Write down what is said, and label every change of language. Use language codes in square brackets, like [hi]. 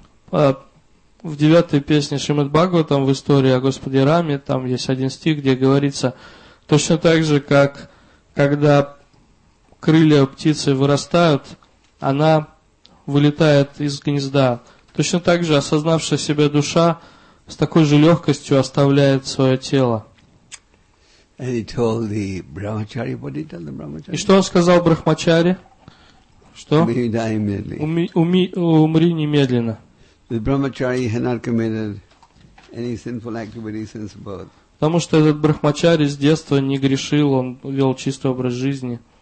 [ru] В 9-й песне Шримад Бхагаватам в истории о Господе Раме там есть один стих, где говорится точно так же, как когда крылья птицы вырастают, она вылетает из гнезда. Точно так же осознавшая себя душа с такой же легкостью оставляет свое тело. [en] And he told the brahmachari, what did he tell the brahmachari? [ru] И что он сказал брахмачари? Что? Умри немедленно. [en] The brahmachari had not committed any sinful activity since birth. [ru] Потому что этот брахмачари с детства не грешил, он вел чистый образ жизни.